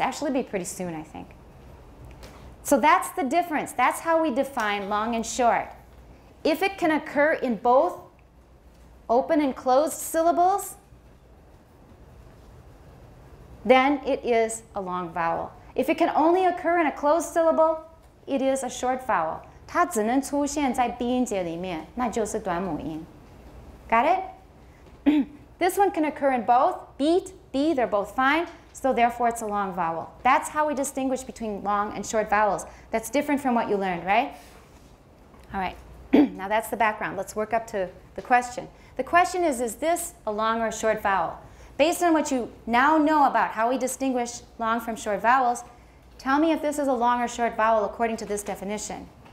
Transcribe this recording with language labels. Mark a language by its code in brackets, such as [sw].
[en] Actually, it'll be pretty soon, I think. So that's the difference. That's how we define long and short. If it can occur in both open and closed syllables, then it is a long vowel. If it can only occur in a closed syllable, it is a short vowel. [zh] 它只能出现在闭音节里面，那就是短母音。 [en] Got it? This one can occur in both, beat, b, they're both fine, so therefore it's a long vowel. That's how we distinguish between long and short vowels. That's different from what you learned, right? All right, now that's the background. Let's work up to the question. The question is this a long or a short vowel? Based on what you now know about how we distinguish long from short vowels, tell me if this is a long or short vowel according to this definition.